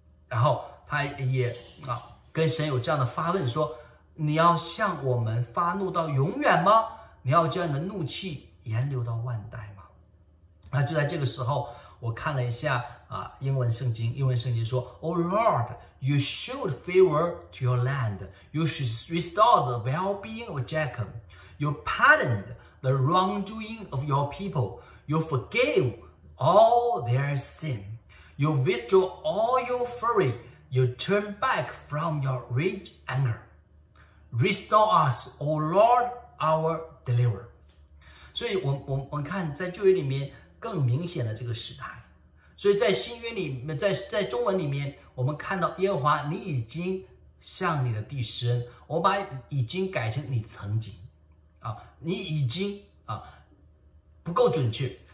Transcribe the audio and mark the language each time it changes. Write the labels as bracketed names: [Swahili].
[Chinese] 然后他也跟神有这样的发问，说你要向我们发怒到永远吗？你要将你的怒气延留到万代吗？那就在这个时候，我看了一下英文圣经说， [English] Oh Lord, you showed favor to your land. You should restore the well-being of Jacob. You pardoned the wrongdoing of your people. You forgave all their sin. You withdrew all your fury. You turned back from your rage anger. Restore us, O Lord, our deliverer. [Chinese] 所以我们看在旧约里面更明显的这个时态。所以在新约里面，在中文里面，我们看到耶和华，你已经向你的弟兄，我把已经改成你曾经，你已经不够准确。